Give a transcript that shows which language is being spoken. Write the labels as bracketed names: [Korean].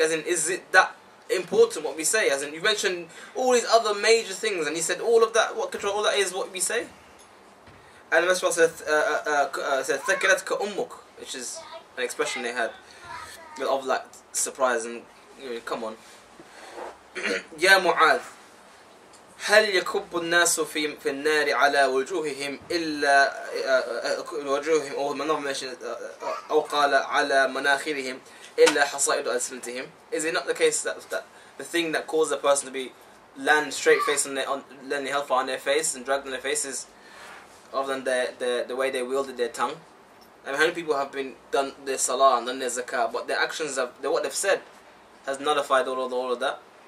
[English] As in, is it that important what we say? As in, you mentioned all these other major things, and you said all of that, what control all that is what we say? And the Messenger said, [Arabic] ثَكَلَتْكَ أُمُّكَ, [English] which is an expression they had of like surprise and, you know, come on. [Arabic] يا معاذ, هل يكب الناس في النار على وجوههم إلا وجوههم أو من أو قال على مناخرهم إلا حصائد ألسنتهم. [English] Is it not the case that the thing that caused a person to be land straight face on land the hellfire on their face and dragged on their faces, other than the way they wielded their tongue? I mean, how many people have been done their salah and done their zakah, but their actions have, what they've said has nullified all of that?